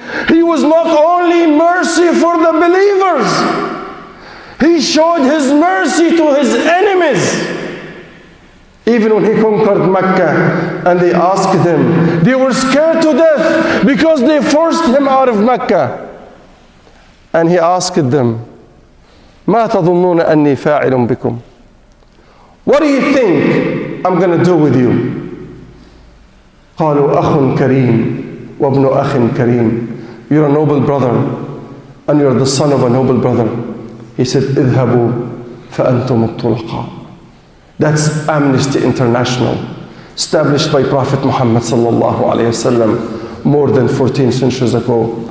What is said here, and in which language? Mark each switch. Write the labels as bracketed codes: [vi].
[en] He was not only mercy for the believers. He showed his mercy to his enemies. Even when he conquered Mecca and they asked him, they were scared to death because they forced him out of Mecca. And he asked them, [ar] مَا تَظُنُّونَ أَنِّي فَاعِلٌ بِكُمْ. [en] What do you think I'm going to do with you? [ar] قَالُوا أَخٌ كَرِيمٌ وَابْنُ أَخٍ كَرِيمٌ. [en] You're a noble brother and you're the son of a noble brother. He said, [ar] اِذْهَبُوا فَأَنْتُمُ الطُّلَقَى. [en] That's Amnesty International, established by Prophet Muhammad sallallahu alayhi wa sallam more than 14 centuries ago.